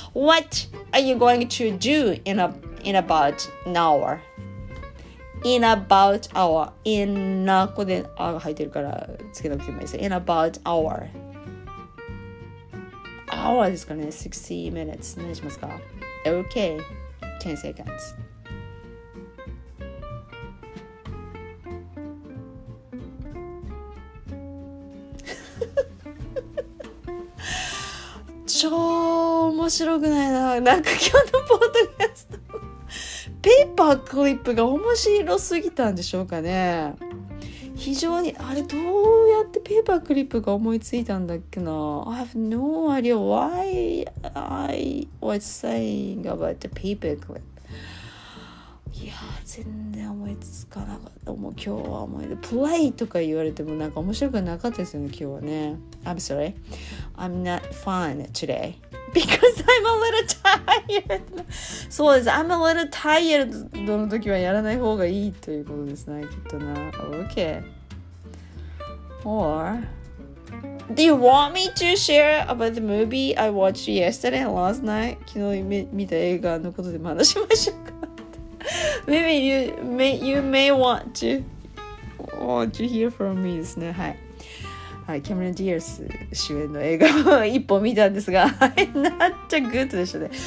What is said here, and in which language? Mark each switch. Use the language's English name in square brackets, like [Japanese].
[English] What are you going to do in about an hour? In about hour. [Japanese] In a こで あ が入ってるからつけなくてもいいです。 [English] In about hour. [Japanese] Hour ですかね。 [English] 60 minutes. [Japanese] 何しますか? [English] Okay. 10 seconds. [Japanese] 超面白くないな。なんか今日のポッドキャストペーパークリップが面白すぎたんでしょうかね。非常にあれどうやってペーパークリップが思いついたんだっけな。 [English] I have no idea why I was saying about the paper clip。 [Japanese] いや全然思いつかなかった。もう今日は思い出プレイとか言われてもなんか面白くなかったですよね今日はね。 [English] I'm sorry. I'm not fun today because I'm a little tired. [Japanese] そうです。 [English] I'm a little tired [Japanese] の時はやらない方がいいということですね。きっとな。 [English] Okay. Or do you want me to share about the movie I watched yesterday and last night? [Japanese] 昨日見た映画のことで話しましょうか。 [English] Maybe you may want to hear from me [Japanese] ですね。はい。はい、キャメロン・ディアス主演の映画を一本見たんですが、 [English] not so good [Japanese] でしたね。